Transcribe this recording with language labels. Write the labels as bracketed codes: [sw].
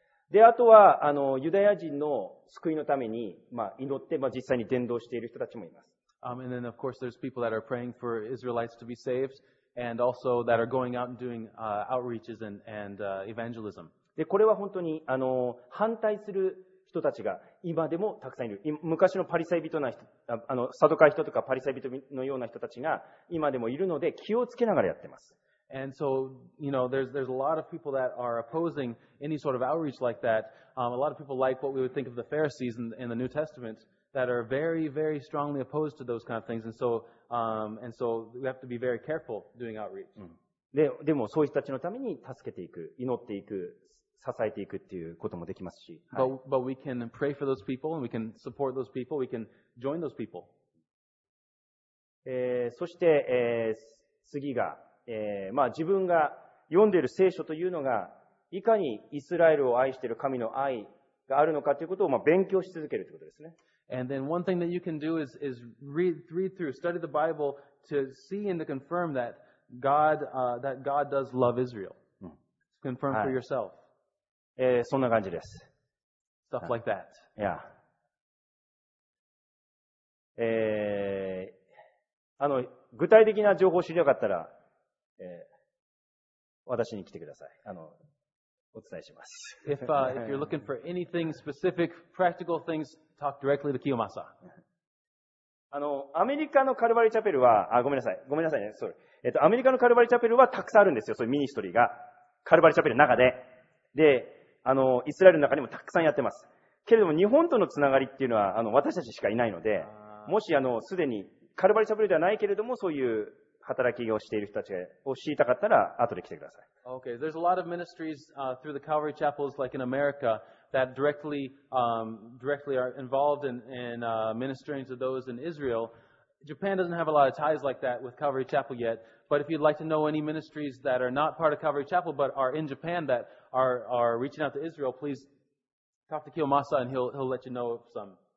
[ja] で、あとは、ユダヤ人の救いのために、まあ、祈って、まあ、実際に伝道している人たちもいます。 [en] And then, of course, there's people that are praying for Israelites to be saved, and also that are going out and doing, outreaches and evangelism. [ja] で、これは本当に、反対する人たちが今でもたくさんいる。昔のパリサイ人な人、サドカイ人とかパリサイ人のような人たちが今でもいるので気をつけながらやってます。 [en] And so, you know, there's a lot of people that are opposing any sort of outreach like that. A lot of people like what we would think of the Pharisees in the New Testament that are very, very strongly opposed to those kind of things. And so we have to be very careful doing outreach. [ja] でもそういう人たちのために助けていく、祈っていく、支えていくっていうこともできますし。 [en] But we can pray for those people and we can support those people, we can join those people. [ja] そして、次が、まあ、自分が読んでいる聖書というのが、いかにイスラエルを愛している神の愛があるのかということを、まあ、勉強し続けるということですね。 [en] And then one thing that you can do is read through, study the Bible to see and to confirm that God, that God does love Israel. Confirm for yourself. [ja] そんな感じです。 [en] Stuff like that. Yeah. [ja] 具体的な情報を知りたかったら、私に来てください。お伝えします。 [en] If you're looking for anything specific, practical things, talk directly to Kiyomasa. [ja] アメリカのカルバリーチャペルは、ごめんなさいね。 [en] Sorry. [ja] アメリカのカルバリーチャペルはたくさんあるんですよ。そういうミニストリーが。カルバリーチャペルの中で。で、イスラエルの中にもたくさんやってます。けれども日本とのつながりっていうのは私たちしかいないので、もしすでにカルバリチャペルではないけれどもそういう働きをしている人たちを知りたかったら後で来てください。 [en] Okay, there's a lot of ministries through the Calvary Chapels like in America that directly are involved in ministering to those in Israel. Japan doesn't have a lot of ties like that with Calvary Chapel yet. But if you'd like to know any ministries that are not part of Calvary Chapel but are in Japan that are reaching out to Israel, please talk to Kiyomasa and he'll let you know of some.